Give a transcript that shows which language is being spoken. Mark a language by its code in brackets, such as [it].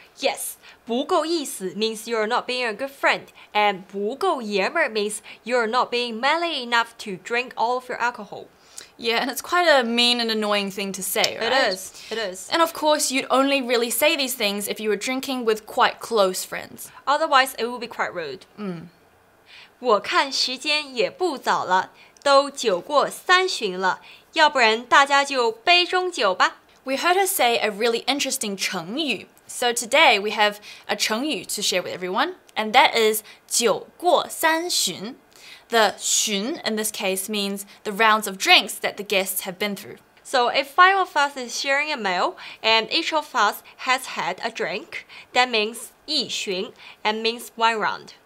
[en] Yes, 不够意思 means you're not being a good friend. And 不够爷们儿 means you're not being manly enough to drink all of your alcohol. Yeah, and it's quite a mean and annoying thing to say, right? It is. And of course, you'd only really say these things if you were drinking with quite close friends. Otherwise, it would be quite rude. Mm. [zh] 我看时间也不早了，都酒过三巡了，要不然大家就杯中酒吧。 [en] We heard her say a really interesting 成语. So today, we have a 成语 to share with everyone, and that is 酒过三巡。 The 巡 in this case means the rounds of drinks that the guests have been through. So if five of us is sharing a meal and each of us has had a drink, that means 一巡 and means one round.